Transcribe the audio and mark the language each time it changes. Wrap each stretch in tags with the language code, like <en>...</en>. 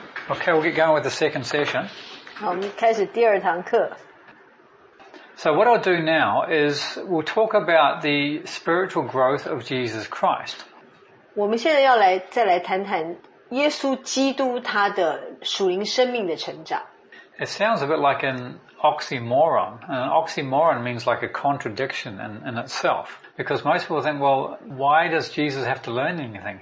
<en>Okay, we'll get going with the second session.</en> <zh>好，我们开始第二堂课。</zh> <en>So what I'll do now is we'll talk about the spiritual growth of Jesus Christ.</en> <zh>我们现在要来再来谈谈耶稣基督他的属灵生命的成长。</zh> <en>It sounds a bit like an oxymoron. An oxymoron means like a contradiction in itself. Because most people think, well, why does Jesus have to learn anything?</en>